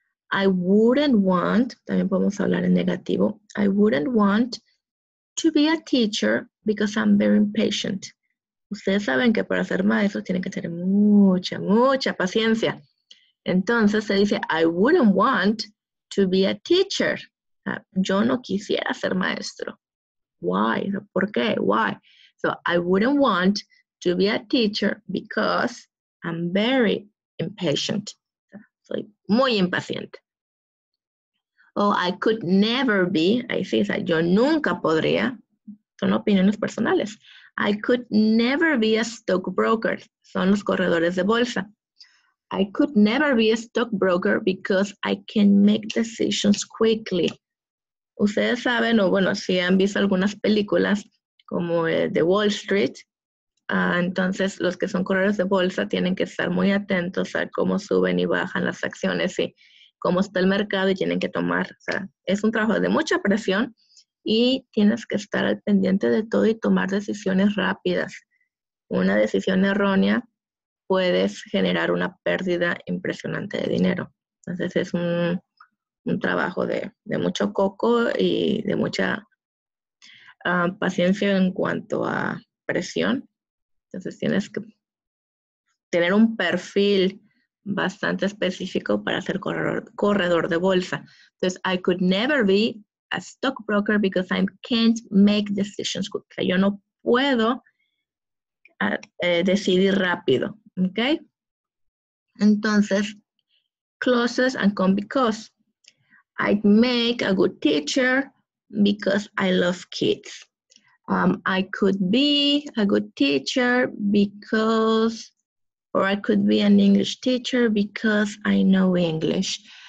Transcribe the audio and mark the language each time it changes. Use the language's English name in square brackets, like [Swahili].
[English] I wouldn't want, [Spanish] también podemos hablar en negativo. [English] I wouldn't want to be a teacher because I'm very impatient. [Spanish] Ustedes saben que para ser maestro tienen que tener mucha, mucha paciencia. Entonces se dice, [English] I wouldn't want to be a teacher. [Spanish] Yo no quisiera ser maestro. [English] Why? [Spanish] ¿Por qué? Why? [English] So I wouldn't want to be a teacher because I'm very impatient. [Spanish] Soy muy impaciente. [English] Oh, I could never be. [Spanish] Ahí sí, o sea, yo nunca podría. Son opiniones personales. [English] I could never be a stockbroker. [Spanish] Son los corredores de bolsa. [English] I could never be a stockbroker because I can make decisions quickly. [Spanish] Ustedes saben, o bueno, si han visto algunas películas como de Wall Street, entonces los que son corredores de bolsa tienen que estar muy atentos a cómo suben y bajan las acciones y cómo está el mercado y tienen que tomar. O sea, es un trabajo de mucha presión y tienes que estar al pendiente de todo y tomar decisiones rápidas. Una decisión errónea puedes generar una pérdida impresionante de dinero. Entonces es un trabajo de mucho coco y de mucha paciencia en cuanto a presión. Entonces tienes que tener un perfil bastante específico para ser corredor de bolsa. [English] Entonces, I could never be a stockbroker because I can't make decisions quickly. [Spanish] Yo no puedo decidir rápido. [English] Okay. Entonces, closest and come because. I'd make a good teacher because I love kids. I could be a good teacher because, or I could be an English teacher because I know English.